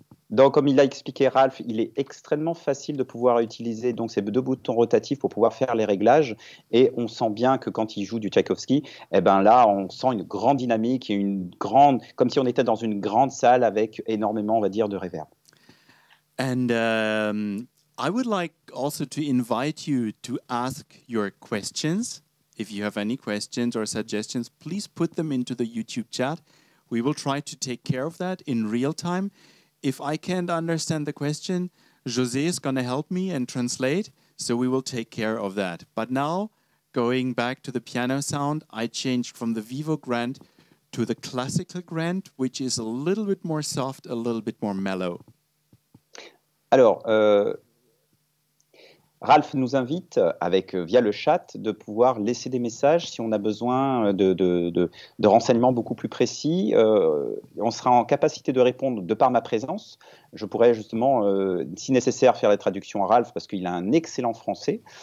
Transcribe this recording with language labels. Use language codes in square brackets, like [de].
[fr] Donc, comme il l'a expliqué Ralph, il est extrêmement facile de pouvoir utiliser donc, ces deux boutons rotatifs pour pouvoir faire les réglages. Et on sent bien que quand il joue du Tchaïkovski, eh ben là, on sent une grande dynamique et une grande, comme si on était dans une grande salle avec énormément, on va dire, de réverb. [en] And I would like also to invite you to ask your questions. If you have any questions or suggestions, please put them into the YouTube chat. We will try to take care of that in real time. If I can't understand the question, José is going to help me and translate, so we will take care of that. But now, going back to the piano sound, I changed from the Vivo Grand to the Classical Grand, which is a little bit more soft, a little bit more mellow. [fr] Alors, Ralph nous invite, avec via le chat, de pouvoir laisser des messages si on a besoin de renseignements beaucoup plus précis. On sera en capacité de répondre de par ma présence. Je pourrais justement, si nécessaire, faire les traductions à Ralph parce qu'il a un excellent français.